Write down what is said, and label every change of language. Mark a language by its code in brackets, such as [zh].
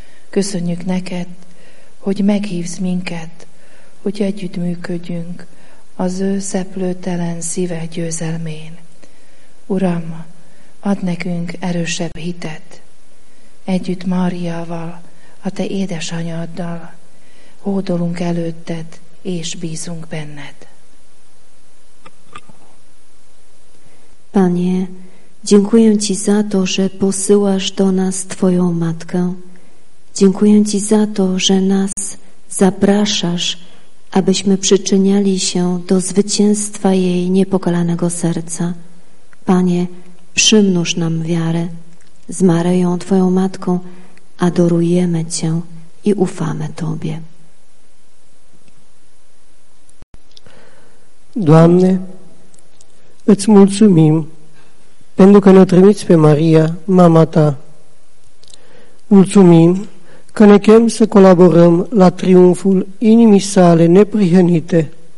[hu] Köszönjük neked, hogy meghívsz minket, hogy együttműködjünk az ő szeplőtelen szíve győzelmén. Uram, add nekünk erősebb hitet. Együtt Máriával, a te édesanyaddal, hódolunk előtted, és bízunk benned. [pl] Panie, dziękuję Ci za to, że posyłasz do nas Twoją matkę. Dziękuję Ci za to, że nas zapraszasz, abyśmy przyczyniali się do zwycięstwa jej niepokalanego serca. Panie, przymnóż nam wiarę. Z Maryją, Twoją matką, adorujemy Cię i ufamy Tobie. [ro] Doamne, îți mulțumim pentru că ne-o trimiți pe Maria, mama ta. Mulțumim că ne chem să colaborăm la triumful inimii sale neprihănite.